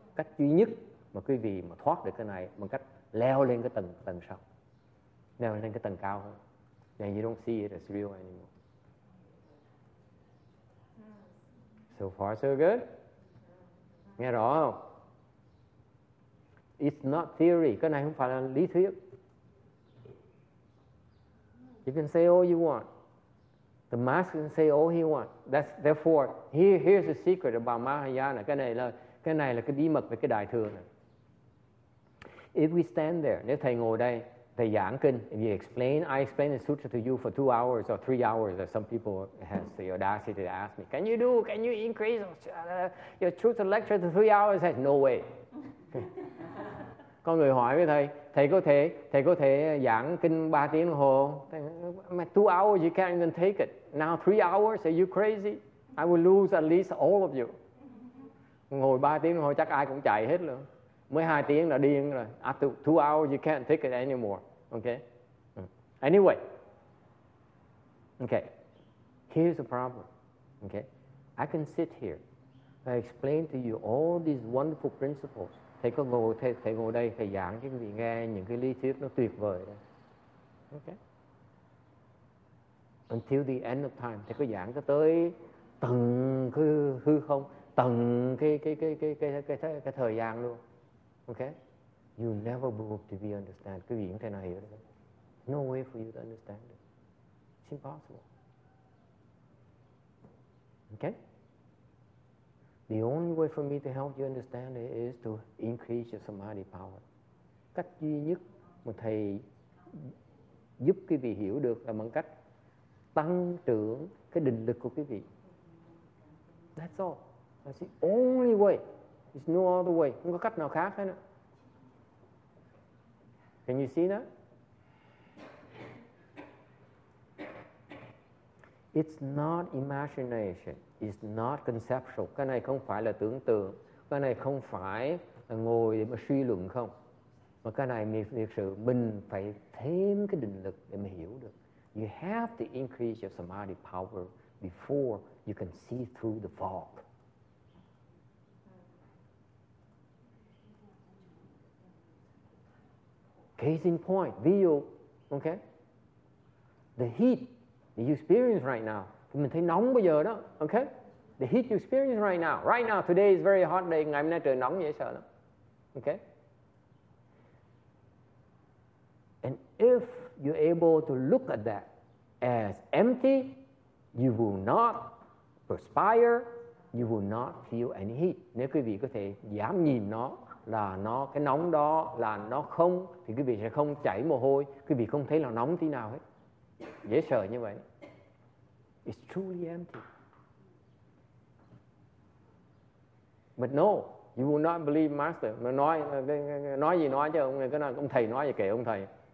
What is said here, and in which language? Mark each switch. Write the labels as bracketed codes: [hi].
[vi] Cách duy nhất mà quý vị mà thoát được cái này bằng cách leo lên cái tầng sau, leo lên cái tầng cao hơn. [en] Then you don't see it as real anymore. So far, so good. [vi] Nghe rõ không? [en] It's not theory. [vi] Cái này không phải là lý thuyết. [en] You can say all you want. The master can say all he want. That's therefore, here's the secret about Mahayana. [vi] Cái này là cái bí mật về cái đại thừa này. [en] If we stand there, [vi] nếu thầy ngồi đây, thầy giảng kinh, [en] if you explain, I explain the sutra to you for 2 hours or 3 hours, as some people has the audacity to ask me, can you increase your truth lecture to 3 hours? I said, no way. [vi] Con người hỏi với thầy có thể giảng kinh 3 tiếng đồng hồ không? [en] Mà 2 hours you can't even take it. Now 3 hours, are you crazy? I will lose at least all of you. [vi] Ngồi 3 tiếng đồng hồ chắc ai cũng chạy hết luôn. Mới 2 tiếng là điên rồi. [en] After 2 hours you can't take it anymore. Okay? Anyway. Okay. Here's the problem. Okay? I can sit here. I explain to you all these wonderful principles. [vi] Thầy có ngồi, thầy ngồi đây, thầy giảng cho quý vị nghe những cái lý thuyết nó tuyệt vời đó. Okay. [en] Until the end of time, [vi] thầy có giảng cho tới tầng cái hư không, tầng cái thời gian luôn. Okay. [en] You never will to be understand. [vi] Quý vị không thể nào hiểu được. [en] No way for you to understand it. It's impossible. Okay. The only way for me to help you understand it is to increase your samadhi power. [vi] Cách duy nhất mà thầy giúp quý vị hiểu được là bằng cách tăng trưởng cái định lực của quý vị. [en] That's all. That's the only way. There's no other way. [vi] Không có cách nào khác hết. [en] Can you see that? It's not imagination. Is not conceptual. [vi] Cái này không phải là tưởng tượng. Cái này không phải là ngồi để mà suy luận không. Mà cái này thực sự mình phải thêm cái định lực để mà hiểu được. [en] You have to increase your samadhi power before you can see through the fog. Case in point, video, okay? The heat that you experience right now, [vi] mình thấy nóng bây giờ đó, [en] okay? The heat you experience right now, today is very hot day, [vi] ngày hôm nay trời nóng dễ sợ lắm, [en] okay? And if you're able to look at that as empty, you will not perspire, you will not feel any heat. [vi] Nếu quý vị có thể dám nhìn nó là nó, cái nóng đó là nó không, thì quý vị sẽ không chảy mồ hôi, quý vị không thấy là nóng tí nào hết. Dễ sợ như vậy. [en] It's truly empty. But no, you will not believe master. [vi] Mà nói gì nói chứ ông này, cái nào ông thầy nói gì kể ông thầy.